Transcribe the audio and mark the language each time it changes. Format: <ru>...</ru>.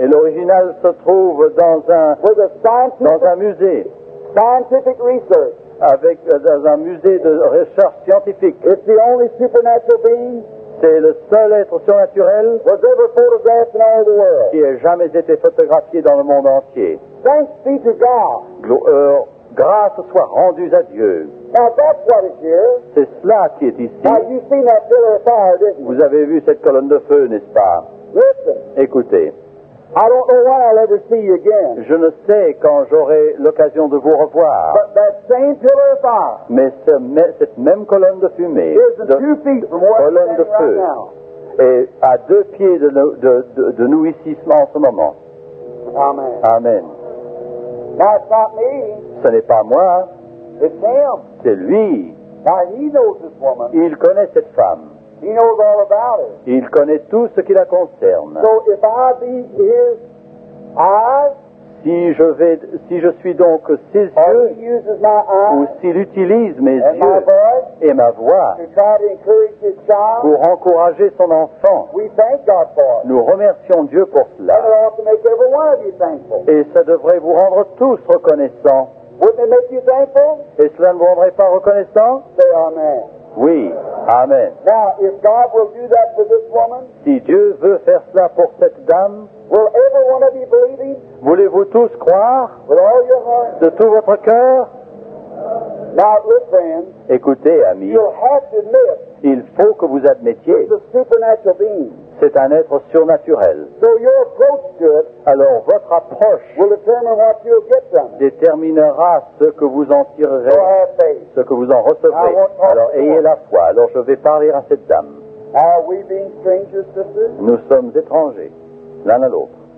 <fr>Et l'original se trouve dans un musée.</fr> <en>Scientific research.</en> <fr>Dans un musée de recherche scientifique.</fr> <en>It's the only supernatural being.</en> <fr>C'est le seul être surnaturel</fr> <en>was ever photographed in all the world.</en> <fr>Qui ait jamais été photographié dans le monde entier.</fr> <en>Thanks be to God.</en> <fr>Grâce soit rendue à Dieu.</fr> <en>Now that's what is here.</en> <fr>C'est cela qui est ici.</fr> <en>Now you've seen that pillar of fire, didn't you?</en> <fr>Vous avez vu cette colonne de feu, n'est-ce pas?</fr> <en>Listen.</en> <fr>Écoutez.</fr> <en>I don't know when I'll ever see you again.</en> <fr>Je ne sais quand j'aurai l'occasion de vous revoir.</fr> <en>But that same pillar of fire.</en> <fr>Mais cette même colonne de fumée. Colonne de feu.</fr> <en>Right now.</en> <fr>Est à deux pieds de nous ici en ce moment.</fr> <en>Amen.</en> <fr>Amen.</fr> <en>That's not me.</en> <fr>Ce n'est pas moi.</fr> <en>It's him.</en> <fr>C'est lui.</fr> <en>Now he knows this woman.</en> <fr>Il connaît cette femme.</fr> <en>He knows all about it.</en> <fr>Il connaît tout ce qui la concerne.</fr> <en>So if I be his eyes,</en> <fr>si je suis donc ses yeux,</fr> <en>he uses my eyes,</en> <fr>ou s'il utilise mes</fr> <en>and</en> <fr>yeux</fr> <en>my voice,</en> <fr>et ma voix</fr> <en>to try to encourage his child,</en> <fr>pour encourager son enfant,</fr> <en>we thank God for it.</en> <fr>Nous remercions Dieu pour cela.</fr> <en>And it ought to make every one of you thankful.</en> <fr>Et ça devrait vous rendre tous reconnaissants.</fr> <en>Wouldn't it make you thankful?</en> <fr>Et cela ne vous rendrait pas reconnaissant?</fr> <en>Say amen.</en> <fr>Oui. Amen.</fr> <en>Now, if God will do that for this woman,</en> <fr>si Dieu veut faire cela pour cette dame,</fr> <en>will every one of you believe him?</en> <fr>Voulez-vous tous croire?</fr> <en>With all your heart?</en> <fr>De tout votre cœur?</fr> <en>Now, look, friends.</en> <fr>Écoutez, amis.</fr> <en>You'll have to admit.</en> <fr>Il faut que vous admettiez.</fr> <en>It's a supernatural being.</en> <fr>C'est un être surnaturel.</fr> <en>So your approach to it,</en> <fr>alors votre approche</fr> <en>will determine what you'll get from it.</en> <fr>Déterminera ce que vous en tirerez,</fr> <en>so have faith.</en> <fr>Ce que vous en recevrez. Alors ayez la foi. Alors je vais parler à cette dame.</fr> <en>Are we being strangers, sisters?</en> <fr>Nous sommes étrangers, l'un à l'autre.</fr>